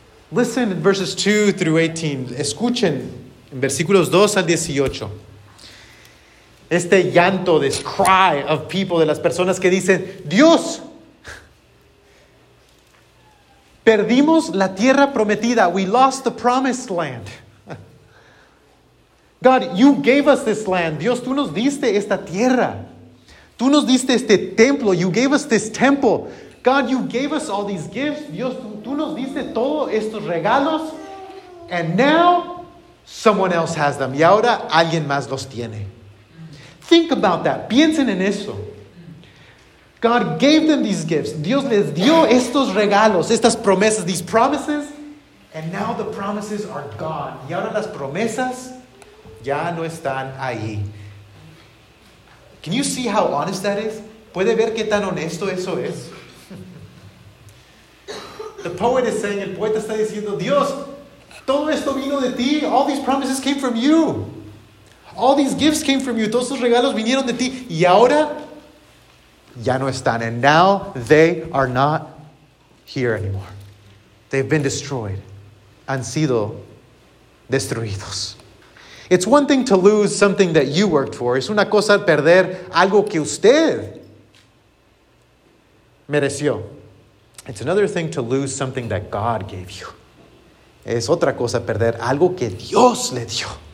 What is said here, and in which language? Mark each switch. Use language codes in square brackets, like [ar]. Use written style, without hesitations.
[en] Listen in verses 2 through 18. [es] Escuchen en versículos 2 al 18. Este llanto, [en] this cry of people, [es] de las personas que dicen, Dios, perdimos la tierra prometida. [en] We lost the promised land. God, you gave us this land. [es] Dios, tú nos diste esta tierra. Tú nos diste este templo. [en] You gave us this temple. God, you gave us all these gifts. [es] Dios, tú nos diste todos estos regalos. [en] And now, someone else has them. [es] Y ahora, alguien más los tiene. [en] Think about that. [es] Piensen en eso. [en] God gave them these gifts. [es] Dios les dio estos regalos, estas promesas, [en] these promises. And now the promises are gone. [es] Y ahora las promesas ya no están ahí. [en] Can you see how honest that is? [es] ¿Puede ver qué tan honesto eso es? [en] The poet is saying, [es] el poeta está diciendo, Dios, todo esto vino de ti. [en] All these promises came from you. All these gifts came from you. [es] Todos esos regalos vinieron de ti. Y ahora ya no están. [en] And now they are not here anymore. They've been destroyed. [es] Han sido destruidos. [en] It's one thing to lose something that you worked for. [es] Es una cosa perder algo que usted mereció. [en] It's another thing to lose something that God gave you. [es] Es otra cosa perder algo que Dios le dio.